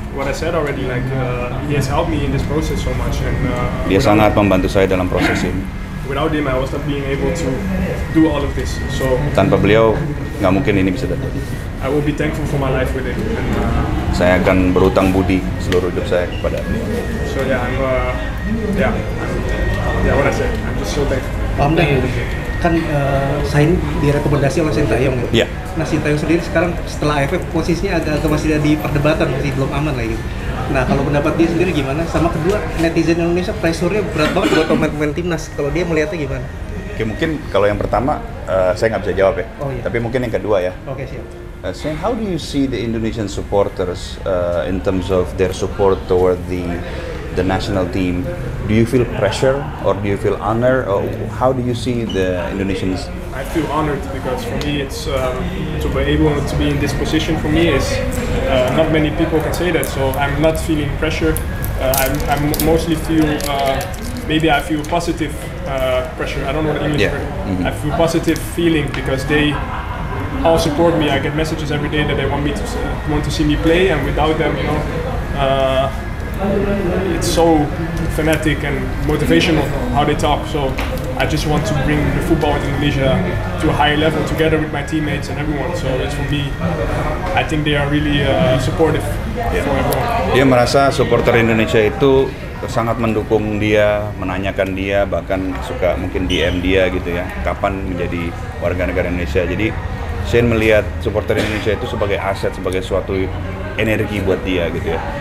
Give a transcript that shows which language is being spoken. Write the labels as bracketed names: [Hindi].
[English] What I said already, like he has helped me in this process so much, and [Indonesian] dia sangat membantu saya dalam proses ini. [English] Without him, I was not being able to do all of this. So [Indonesian] tanpa beliau, nggak mungkin ini bisa terjadi. [English] I will be thankful for my life with him. [Indonesian] Saya akan berutang budi seluruh hidup saya kepada beliau. [English] So yeah, what I said, I'm just so thankful. I'm thankful. [Indonesian] Kan Shane direkomendasi oleh Sintayong. Iya. Yeah. Nah, Sintayong sendiri sekarang setelah AFF posisinya agak masih ada di perdebatan, masih belum aman lah gitu. Nah, kalau pendapat dia sendiri gimana? Sama kedua, netizen Indonesia pressure-nya berat banget buat pemain-pemain timnas. Kalau dia melihatnya gimana? Oke, mungkin kalau yang pertama saya nggak bisa jawab ya. Oh, iya. Tapi mungkin yang kedua ya. Oke, siap. [English] Shane, how do you see the Indonesian supporters in terms of their support toward the national team? Do you feel pressure or do you feel honor? Or how do you see the Indonesians? I feel honored because for me it's to be able to be in this position for me is not many people can say that. So I'm not feeling pressure. I'm mostly feel maybe I feel positive pressure. I don't know what English. Yeah. Mm-hmm. I feel positive feeling because they all support me. I get messages every day that they want me to want to see me play, and without them, you know. It's so fanatic and motivational how they talk. So I just want to bring the football in Indonesia to a higher level together with my teammates and everyone. So it's for me, I think they are really supportive. Yeah. For everyone. [Indonesian] Dia merasa supporter Indonesia itu sangat mendukung dia, menanyakan dia, bahkan suka mungkin DM dia gitu ya, kapan menjadi warga negara Indonesia. Jadi Shane melihat supporter Indonesia itu sebagai aset, sebagai suatu energi buat dia gitu ya.